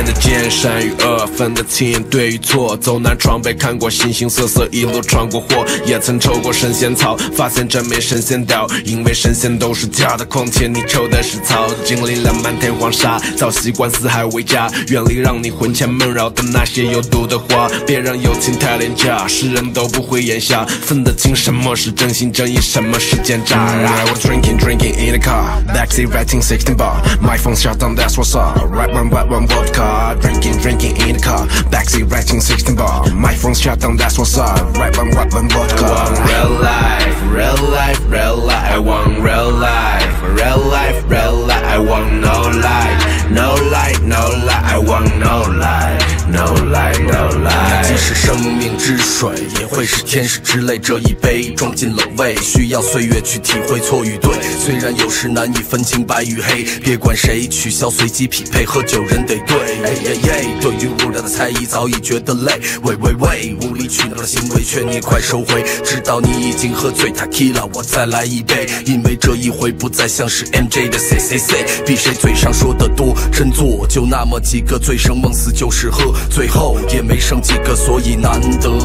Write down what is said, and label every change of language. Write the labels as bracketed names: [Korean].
[Chinese] 见善与恶分得清，对与错，走南闯北看过形形色色，一路闯过祸，也曾抽过神仙草，发现真没神仙屌，因为神仙都是假的，况且你抽的是草。经历了漫天黄沙，早习惯四海为家，远离让你魂牵梦绕的那些有毒的话，别让友情太廉价，世人都不会眼瞎，分得清什么是真心真意，什么是奸诈。 [English] I was drinking, drinking in the car, backseat writing 16 bar, my phone shut down, that's what's up, red one vodkaDrinking, drinking in the car, backseat writing 16 bar, my phone's shut down, that's what's up, right when vodka. I want real life, real life, real life, I want real life, real life, real life, I want no lie, no lie, no lie, I want no lie. No lie, no lie。 [Chinese] 即使生命之水也会是天使之泪，这一杯装进冷胃，需要岁月去体会错与对，虽然有时难以分清白与黑，别管谁取消随机匹配，喝酒人得对。 [English] Hey, hey, hey, [Chinese] 对于无聊的猜疑早已觉得累，喂喂喂，无理取闹的行为劝你快收回，知道你已经喝醉 Tequila 我再来一杯，因为这一回不再像是 MJ 的 CCC， 比谁嘴上说的多，真做就那么几个，醉生梦死就是喝，最后也没剩几个，所以难得